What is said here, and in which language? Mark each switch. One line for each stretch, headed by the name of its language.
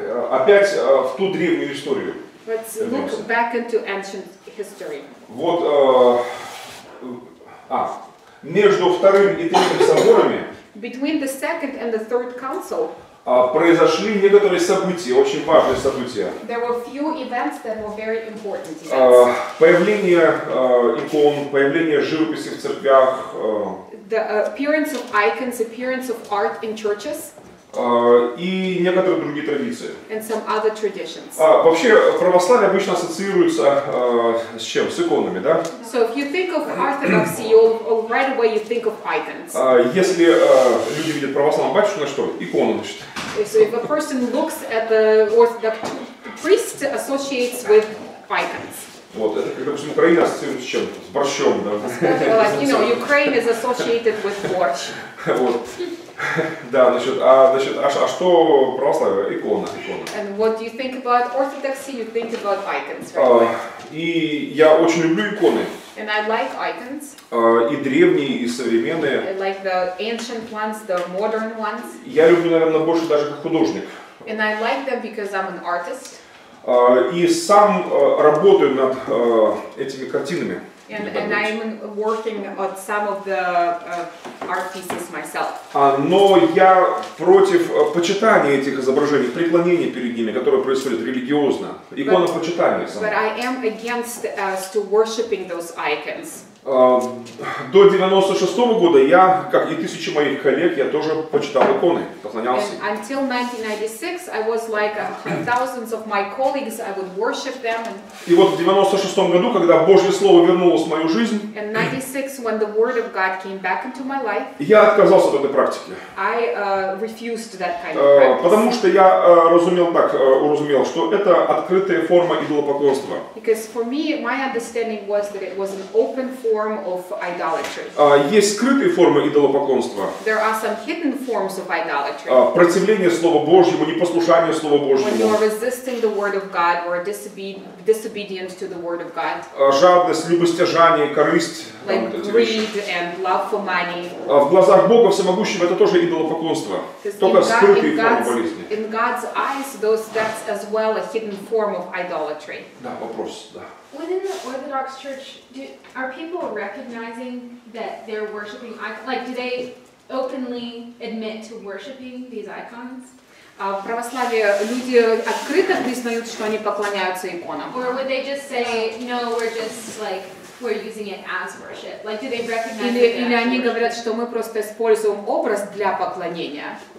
Russian: Опять в ту древнюю историю.
English: Let's look back into ancient history.
Russian: Вот, между вторым и третьим соборами.
English: Between the second and the third council.
Russian: Произошли некоторые события, очень важные события.
English: There were few events that were very important events.
Russian: Появление икон, появление живописи в церквях.
English: The appearance of icons, appearance of art in churches.
Russian: И некоторые другие традиции.
English: And some other traditions.
Russian: Вообще, православие обычно ассоциируется с чем? С иконами, да?
English: So if you think of orthodoxy, you'll right away you think of icons.
Russian: Если люди видят православного батюшку, значит что? Икона, значит.
English: So if a person looks at the Orthodox priest associates with items.
Russian: Вот, это, как, допустим, Украина ассоциируется с чем? С борщом, да?
English: You know, Ukraine is associated with borscht.
Russian: Вот. Да, значит, а что православие? Икона, икона.
English: And what do you think about orthodoxy? You think about icons, right?
Russian: И я очень люблю иконы.
English: And I like icons.
Russian: И древние, и современные.
English: I like the ancient ones, the modern ones.
Russian: Я люблю, наверное, больше даже как художник.
English: And I like them because I'm an artist.
Russian: И сам работаю над этими картинами.
English: And I'm working on some of the art pieces myself.
Russian: Но я против почитания этих изображений, преклонения перед ними, которое происходит религиозно. Икона почитания.
English: But I am against to worshiping those icons.
Russian: До 96 года я, как и тысячи моих коллег, я тоже почитал иконы, поклонялся.
English: And until 1996, I was like thousands of my colleagues, I would worship them.
Russian: И вот в 96 году, когда Божье Слово вернулось в мою жизнь,
English: and 96, when the Word of God came back into my life,
Russian: я отказался от этой практики.
English: I refused that kind of practice.
Russian: Потому что я уразумел, что это открытая форма идолопоклонства.
English: Because for me, my understanding was that it was an open form of idolatry.
Russian: Есть скрытые формы идолопоклонства.
English: There are some hidden forms of idolatry.
Russian: Противление Слову Божьему, непослушание Слову Божьему.
English: When you are resisting the word of God or disobedient to the word of God.
Russian: Жадность, любостяжание, корысть.
English: Like greed and love for money.
Russian: В глазах Бога Всемогущего это тоже идолопоклонство. Только скрытые формы болезни.
English: In God's eyes, that's as well a hidden form of idolatry.
Russian: Да, вопрос, да.
English: Within the Orthodox Church, are people recognizing that they're worshiping icons? Like, do they openly admit to worshiping these icons?
Russian: В православии люди открыто признают, что они поклоняются иконам.
English: Or would they just say, no, we're just like, we're using it as worship? Like, do they recognize
Russian: или,
English: that they're
Russian: или они говорят, что мы просто используем образ для поклонения?